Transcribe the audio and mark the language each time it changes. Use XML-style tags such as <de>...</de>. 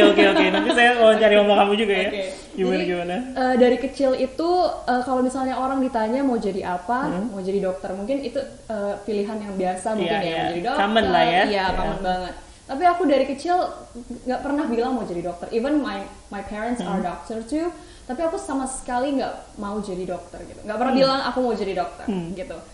<id>Nanti saya mau cari mama kamu juga ya. Gimana? Dari kecil itu kalau misalnya orang ditanya mau jadi apa, mau jadi dokter, mungkin itu pilihan yang biasa mungkin ya. Jadi dokter. Common lah ya. Iya, common banget. Tapi aku dari kecil nggak pernah bilang mau jadi dokter.</id> <en>Even my parents are doctor too.</en> <id>Tapi aku sama sekali nggak mau jadi dokter gitu. Nggak pernah bilang aku mau jadi dokter gitu.</id>